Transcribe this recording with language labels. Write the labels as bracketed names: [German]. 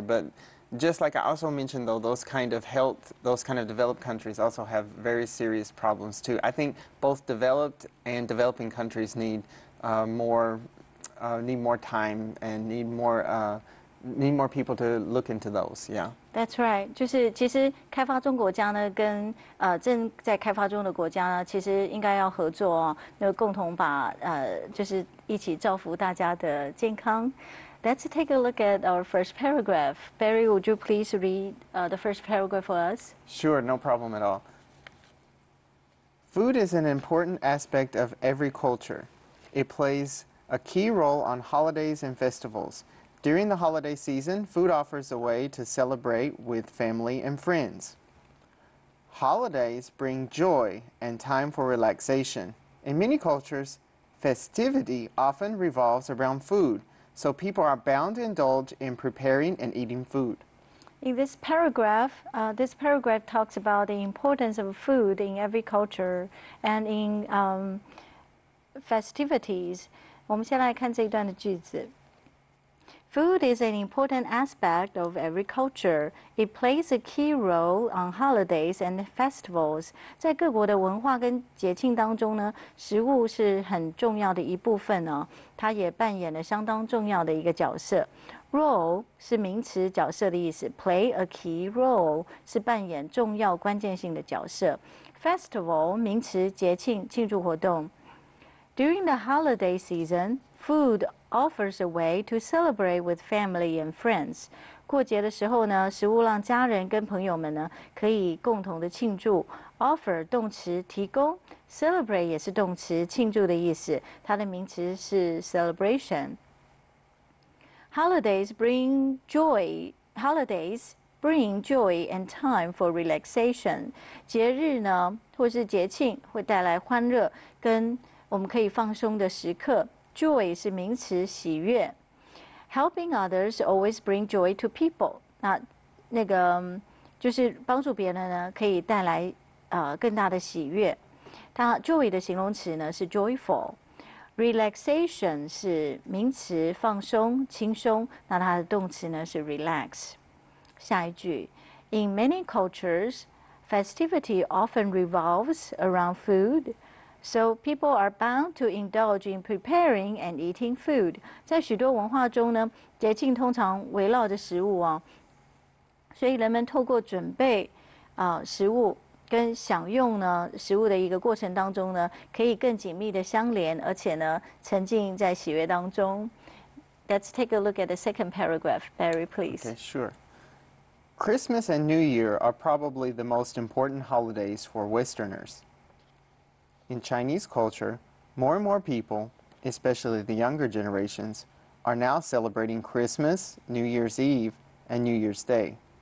[English] But just like I also mentioned, though, those kind of developed countries also have very serious problems, too. I think both developed and developing countries need more time and need more people to look into those, yeah. That's right. [Chinese] 就是其实开发中国家呢跟正在开发中的国家呢其实应该要合作哦，共同把就是一起造福大家的健康。 [English] Let's take a look at our first paragraph. Barry, would you please read the first paragraph for us? Sure, no problem at all. Food is an important aspect of every culture. It plays a key role on holidays and festivals. During the holiday season, food offers a way to celebrate with family and friends. Holidays bring joy and time for relaxation. In many cultures, festivity often revolves around food, so people are bound to indulge in preparing and eating food. In this paragraph, talks about the importance of food in every culture and in festivities. [Chinese] 我们先来看这一段的句子。 [English] Food is an important aspect of every culture. It plays a key role on holidays and festivals. [Chinese] 在各国的文化跟节庆当中呢，食物是很重要的一部分哦，它也扮演了相当重要的一个角色。 Role 是名词，角色的意思。 Play a key role 是扮演重要关键性的角色。 Festival 名词，节庆，庆祝活动。 [English] During the holiday season, food offers a way to celebrate with family and friends. [Chinese] 过节的时候呢，食物让家人跟朋友们呢可以共同的庆祝。 Offer 动词提供 ，celebrate 也是动词，庆祝的意思。 [English] 它的名词是 celebration。Holidays bring joy and time for relaxation. [Chinese] 节日呢，或是节庆，会带来欢乐跟我们可以放松的时刻。 [English] Joy 是名词，喜悦。 Helping others always bring joy to people. [Chinese] 那个就是帮助别人呢，可以带来更大的喜悦。它 joy 的形容词呢是 joyful。Relaxation 是名词，放松、轻松。那它的动词呢是 relax。 [English] 下一句，In many cultures, festivity often revolves around food, so people are bound to indulge in preparing and eating food。 [Chinese] 在许多文化中呢，节庆通常围绕着食物哦，所以人们透过准备食物。跟享用呢食物的一个过程当中呢，可以更紧密的相连，而且呢沉浸在喜悦当中。 [English] Let's take a look at the second paragraph, Barry, please. Okay, sure. Christmas and New Year are probably the most important holidays for Westerners. In Chinese culture, more and more people, especially the younger generations, are now celebrating Christmas, New Year's Eve, and New Year's Day.